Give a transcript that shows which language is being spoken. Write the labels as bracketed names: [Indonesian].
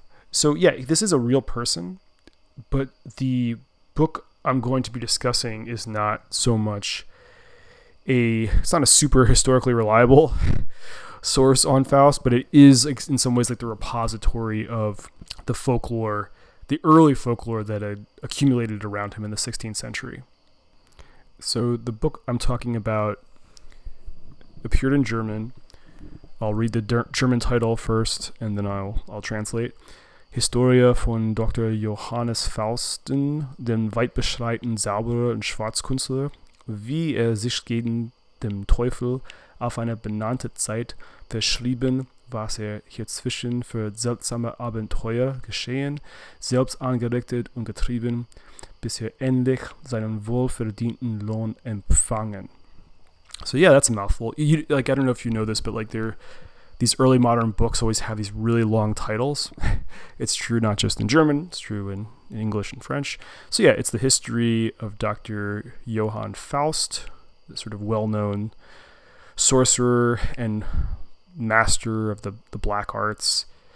[English] So yeah, this is a real person, but the book I'm going to be discussing is not so much it's not a super historically reliable source on Faust, but it is in some ways like the repository of the folklore, the early folklore that had accumulated around him in the 16th century. So the book I'm talking about appeared in German. I'll read the German title first, and then I'll translate. [German] Historia von Dr. Johannes Fausten, dem weitbeschreiten Zauberer und Schwarzkünstler, wie sich gegen dem Teufel auf eine benannte Zeit verschrieben, was hier zwischen für seltsame Abenteuer geschehen, selbst angerichtet und getrieben, bis er endlich seinen wohlverdienten Lohn empfangen. [English] So yeah, that's a mouthful. I don't know if you know this, but these early modern books always have these really long titles. It's true not just in German, it's true in English and French. So yeah, it's the history of Dr. Johann Faust, the sort of well-known sorcerer and master of the black arts.